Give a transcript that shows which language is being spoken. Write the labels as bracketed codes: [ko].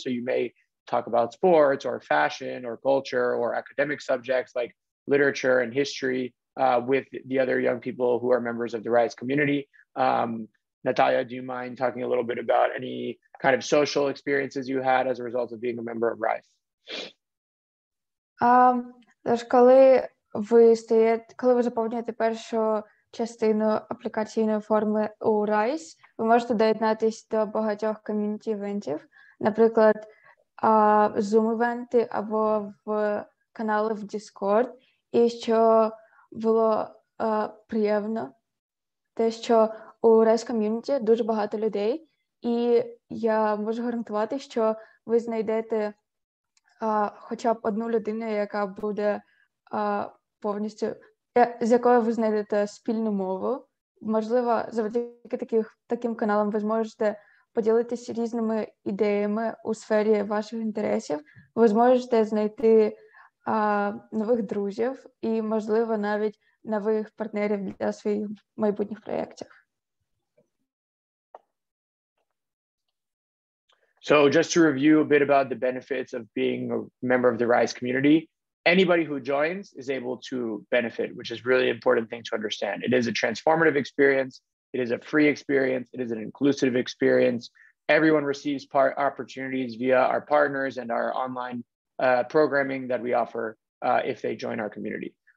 [en] So you may talk about sports or fashion or culture or academic subjects like literature and history with the other young people who are members of the RISE community. Nataliia, do you mind talking a little bit about any kind of social experiences you had as a result of being a member of RISE? [uk] Тож, коли ви заповнюєте першу частину аплікаційної форми у RISE, ви можете доєднатися до багатьох ком'юніті-івентів, наприклад, Zoom-івенти або в канали в Discord. І що було приємно, те, що у RISE ком'юніті дуже багато людей, і я можу гарантувати, що ви знайдете хоча б одну людину, яка буде повністю, з якою ви знайдете спільну мову. Можливо, завдяки таким каналам ви зможете поділитися різними ідеями у сфері ваших інтересів, ви зможете знайти нових друзів і, можливо, навіть нових партнерів для своїх майбутніх проєктів. [en] So just to review a bit about the benefits of being a member of the RISE community, anybody who joins is able to benefit, which is really important thing to understand. It is a transformative experience. It is a free experience. It is an inclusive experience. Everyone receives opportunities via our partners and our online programming that we offer if they join our community.